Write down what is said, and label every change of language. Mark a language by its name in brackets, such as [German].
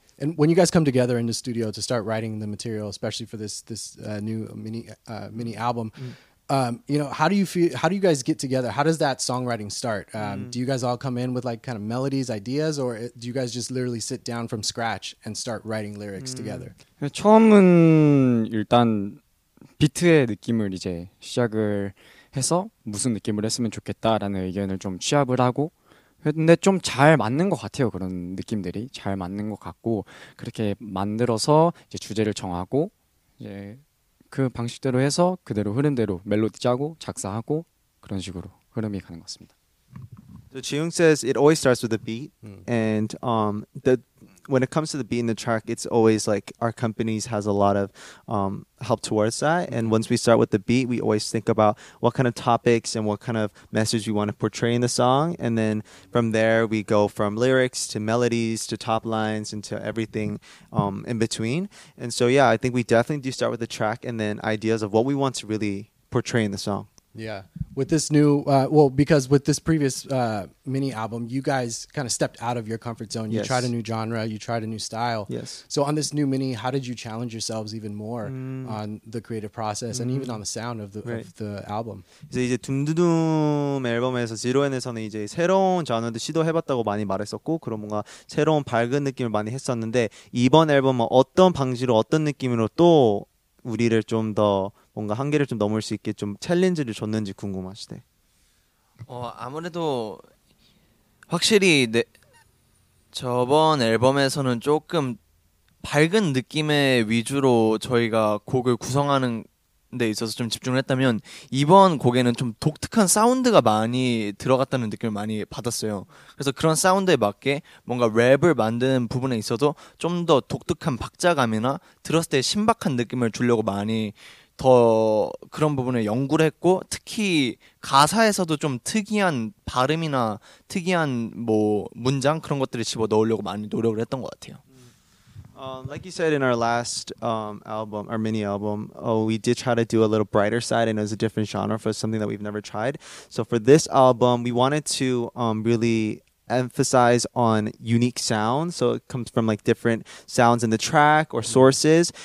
[English] And when you guys come together in the studio to start writing the material, especially for this new mini album, mm-hmm. You know, how do you guys get together? How does that songwriting start? Do you guys all come in with like kind of melodies, ideas, or do you guys just literally sit down from scratch and start writing lyrics together? [Korean] 처음은 일단 비트의 느낌을 이제 시작을 해서 무슨 느낌을 했으면 좋겠다라는 의견을 좀 취합을 하고 근데 좀 잘 맞는 것 같아요. 그런 느낌들이 잘 맞는 것 같고 그렇게 만들어서 이제 주제를 정하고 이제 그 방식대로 해서 그대로 흐름대로 멜로디 짜고 작사하고 그런 식으로 흐름이 가는 것 같습니다. [English] So Chiyoung says it always starts with a beat and when it comes to the beat in the track, it's always like our companies has a lot of help towards that. Mm-hmm. And once we start with the beat, we always think about what kind of topics and what kind of message we want to portray in the song. And then from there, we go from lyrics to melodies to top lines and to everything in between. And so, yeah, I think we definitely do start with the track and then ideas of what we want to really portray in the song. Yeah. With this new, well, because with this previous mini album, you guys kind of stepped out of your comfort zone. You tried a new genre. You tried a new style. Yes. So on this new mini, how did you challenge yourselves even more on the creative process and even on the sound of the of the album? [Korean] 이제 둠두둠 앨범에서 지로엔에서는 이제 새로운 장르도 시도해봤다고 많이 말했었고 그런 뭔가 새로운 밝은 느낌을 많이 했었는데 이번 앨범은 어떤 방식으로 어떤 느낌으로 또 우리를 좀 더 뭔가 한계를 좀 넘을 수 있게 좀 챌린지를 줬는지 궁금하시대. 어 아무래도 확실히 내 저번 앨범에서는 조금 밝은 느낌의 위주로 저희가 곡을 구성하는 데 있어서 좀 집중을 했다면 이번 곡에는 좀 독특한 사운드가 많이 들어갔다는 느낌을 많이 받았어요. 그래서 그런 사운드에 맞게 뭔가 랩을 만드는 부분에 있어도 좀 더 독특한 박자감이나 들었을 때 신박한 느낌을 주려고 많이 더 그런 부분에 연구를 했고 특히 가사에서도 좀 특이한 발음이나 특이한 뭐 문장 그런 것들을 집어 넣으려고 많이 노력을 했던 것 같아요. [English] Like you said in our last album, our mini album, we did try to do a little brighter side and it was a different genre for something that we've never tried. So for this album, we wanted to really emphasize on unique sounds, so it comes from like different sounds in the track or sources.